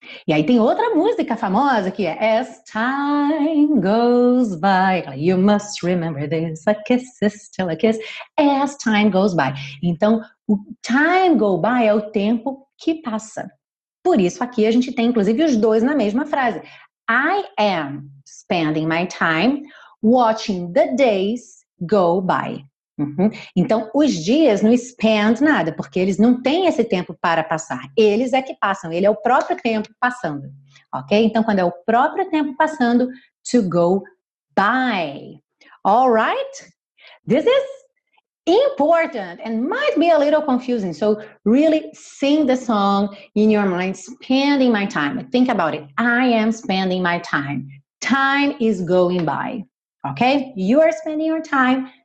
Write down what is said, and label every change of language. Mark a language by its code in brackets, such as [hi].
[pt] E aí tem outra música famosa que é [en] As time goes by, you must remember this, a kiss is still a kiss, as time goes by. [pt] Então, o [en] time go by [pt] é o tempo que passa. Por isso, aqui a gente tem, inclusive, os dois na mesma frase. [en] I am spending my time watching the days go by. Uhum. [pt] Então, os dias não spend nada, porque eles não têm esse tempo para passar. Eles é que passam, ele é o próprio tempo passando. Ok? Então, quando é o próprio tempo passando, [en] to go by. Alright? This is important and might be a little confusing. So really sing the song in your mind, spending my time. Think about it. I am spending my time. Time is going by. Okay? You are spending your time.